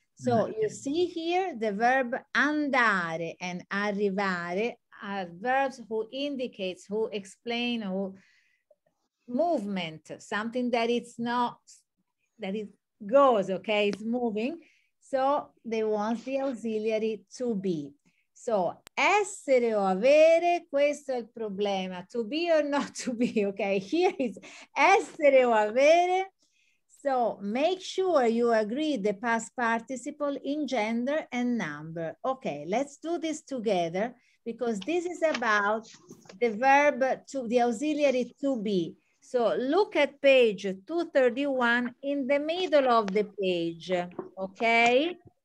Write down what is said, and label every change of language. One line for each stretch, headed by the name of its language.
English: So you see here the verb andare and arrivare are verbs who indicates, who explain, who movement, something that it's not, that it goes, okay, it's moving. So they want the auxiliary to be.
Italian: So essere o avere, questo è il problema.
English: To be or not to be, okay? Here is essere o avere. So make sure you agree the past participle in gender and number. Okay, let's do this together because this is about the verb to, the auxiliary to be. So look at page 231 in the middle of the page, okay?